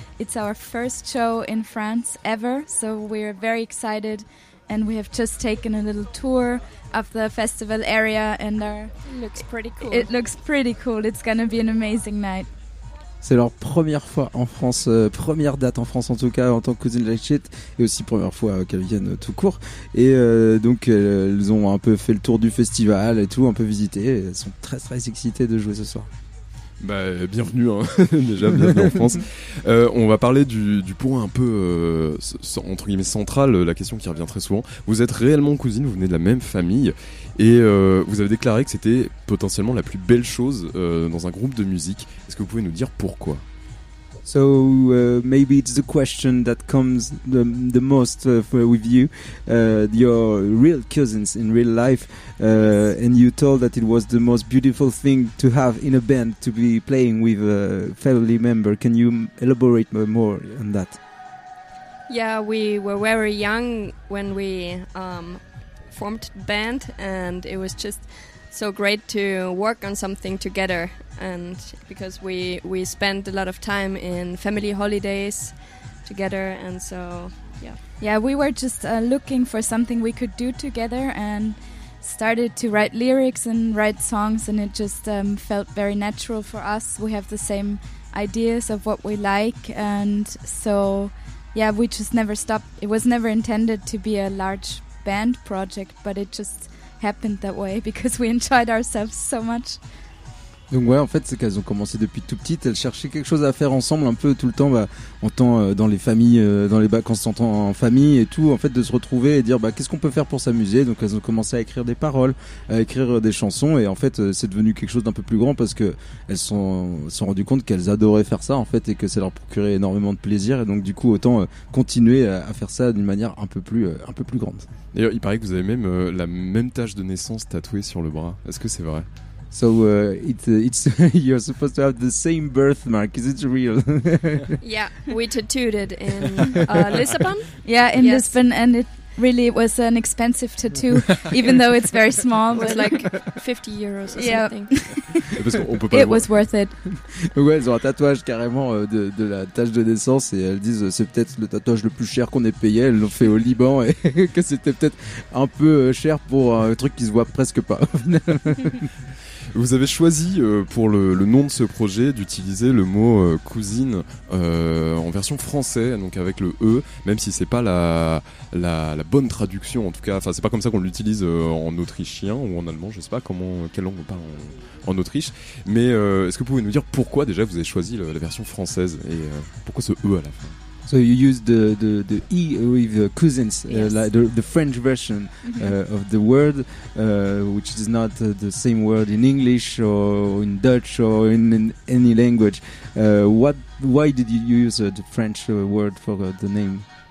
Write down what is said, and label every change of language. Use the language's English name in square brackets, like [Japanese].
[English] It's our first show in France ever, so we're very excited, and we have just taken a little tour of the festival area, and our it looks pretty cool. It's gonna be an amazing night. [French] C'est leur première fois en France, première date en France en tout cas, en tant que Cousins Like Shit, et aussi première fois qu'elles viennent tout court. Et donc, elles ont un peu fait le tour du festival et tout, un peu visité. Elles sont très, très excitées de jouer ce soir. Bah, bienvenue, hein. Déjà, bienvenue en France. On va parler du point un peu, entre guillemets, central, la question qui revient très souvent. Vous êtes réellement cousines, vous venez de la même famille, et vous avez déclaré que c'était potentiellement la plus belle chose dans un groupe de musique. Est-ce que vous pouvez nous dire pourquoi? [English] So maybe it's the question that comes the most with you, your real cousins in real life, and you told that it was the most beautiful thing to have in a band, to be playing with a family member. Can you elaborate more on that? Yeah, we were very young when we formed the band, and it was just so great to work on something together, and because we spend a lot of time in family holidays together, and so yeah we were just looking for something we could do together and started to write lyrics and write songs, and it just felt very natural for us. We have the same ideas of what we like, and so yeah, we just never stopped. It was never intended to be a large band project, but it just happened that way because we enjoyed ourselves so much. [French] Donc ouais, en fait, c'est qu'elles ont commencé depuis tout petite, elles cherchaient quelque chose à faire ensemble un peu tout le temps, bah, dans les familles, dans les bacs, quand on s'entend en famille et tout, en fait, de se retrouver et dire bah, qu'est-ce qu'on peut faire pour s'amuser. Donc elles ont commencé à écrire des paroles, à écrire des chansons, et en fait, c'est devenu quelque chose d'un peu plus grand parce qu'elles se sont rendues compte qu'elles adoraient faire ça, en fait, et que ça leur procurait énormément de plaisir. Et donc, du coup, autant continuer à faire ça d'une manière un peu plus grande. D'ailleurs, il paraît que vous avez même la même tache de naissance tatouée sur le bras. Est-ce que c'est vrai? [English] So it's you're supposed to have the same birthmark. Is it real? Yeah, we tattooed it in Lisbon. Yeah, in yes. Lisbon, and it really was an expensive tattoo, even though it's very small. It was like 50 euros or something. [French] Parce qu'on peut pas [English] it was worth it. [French] Ouais, elles ont un tatouage carrément de la tache de naissance, et elles disent c'est peut-être le tatouage le plus cher qu'on ait payé. Elles l'ont fait au Liban, et que c'était peut-être un peu cher pour un truc qui se voit presque pas. Vous avez choisi pour le nom de ce projet d'utiliser le mot cousine en version française, donc avec le E, même si c'est pas la bonne traduction, en tout cas, enfin c'est pas comme ça qu'on l'utilise en autrichien ou en allemand, je sais pas quelle langue on parle en Autriche, mais est-ce que vous pouvez nous dire pourquoi déjà vous avez choisi la version française, et pourquoi ce E à la fin? [English] So you used the E with cousins, yes. Like the French version of the word, which is not the same word in English or in Dutch or in any language. Why did you use the French word for the name?